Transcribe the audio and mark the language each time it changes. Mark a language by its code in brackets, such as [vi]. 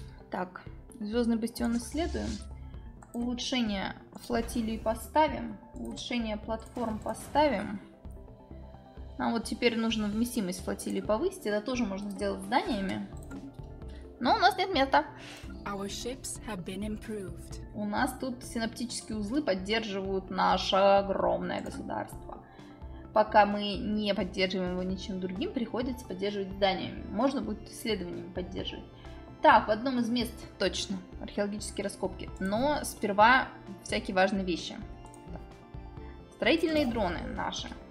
[ru] Так, звездный бастион исследуем. Улучшение флотилии поставим. Улучшение платформ поставим. Нам вот теперь нужно вместимость флотилии повысить. Это тоже можно сделать зданиями. Но у нас нет мета. [en] Our ships have been improved. [ru] У нас тут синаптические узлы поддерживают наше огромное государство. Пока мы не поддерживаем его ничем другим, приходится поддерживать зданиями. Можно будет исследованиями поддерживать. Так, в одном из мест точно археологические раскопки. Но сперва всякие важные вещи. Строительные дроны наши.